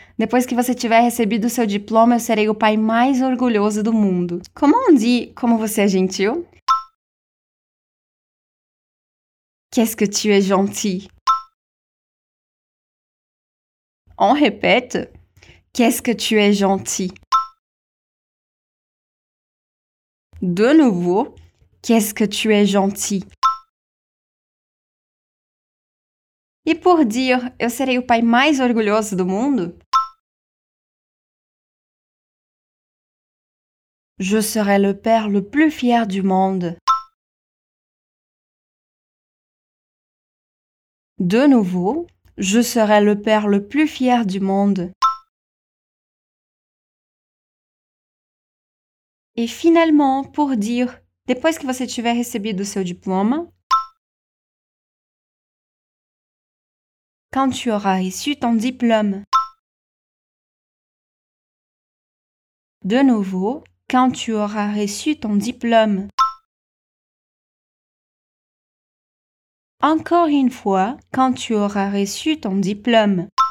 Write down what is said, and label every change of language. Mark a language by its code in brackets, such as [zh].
[pt] Depois que você tiver recebido o seu diploma, eu serei o pai mais orgulhoso do mundo. Como [fr] on dit [pt] como você é gentil? [fr] Qu'est-ce que tu es gentil? On répète. Qu'est-ce que tu es gentil? De nouveau. Qu'est-ce que tu es gentil? [pt] E por dizer, eu serei o pai mais orgulhoso do mundo? [fr] Je serai le père le plus fier du monde. De nouveau, je serai le père le plus fier du monde. Et finalement, pour dire, [pt] depois que você tiver recebido seu diploma, [fr] quand tu auras reçu ton diplôme. De nouveau, quand tu auras reçu ton diplôme. Encore une fois, quand tu auras reçu ton diplôme.